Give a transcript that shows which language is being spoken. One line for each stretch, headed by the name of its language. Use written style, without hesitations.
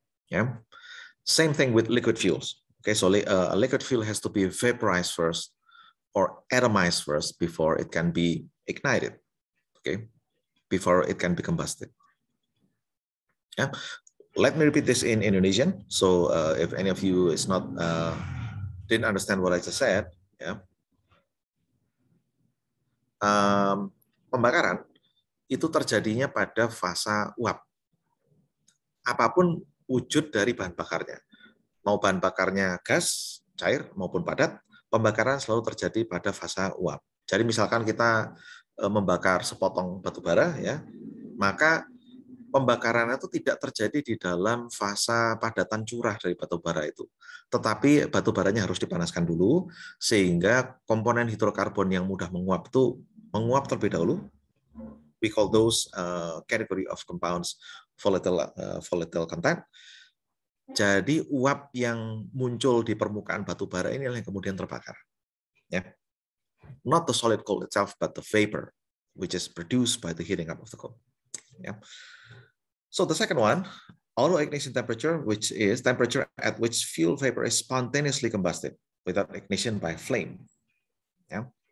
English: Yeah. Same thing with liquid fuels. Okay, so a liquid fuel has to be vaporized first or atomized first before it can be ignited, okay, before it can be combusted. Yeah, let me repeat this in Indonesian. So if any of you is not didn't understand what I just said, yeah.
Indonesian: Pembakaran itu terjadinya pada fase uap. Apapun wujud dari bahan bakarnya, mau bahan bakarnya gas, cair maupun padat, pembakaran selalu terjadi pada fase uap. Jadi misalkan kita membakar sepotong batu bara, ya, maka pembakaran itu tidak terjadi di dalam fase padatan curah dari batu bara itu, tetapi batu baranya harus dipanaskan dulu sehingga komponen hidrokarbon yang mudah menguap itu menguap terlebih dahulu.
English: We call those category of compounds volatile content.
Indonesian: Jadi uap yang muncul di permukaan batu bara ini yang kemudian terbakar.
English: Yeah. Not the solid coal itself, but the vapor, which is produced by the heating up of the coal. Yeah. So the second one, auto ignition temperature, which is temperature at which fuel vapor is spontaneously combusted without ignition by flame. Yeah.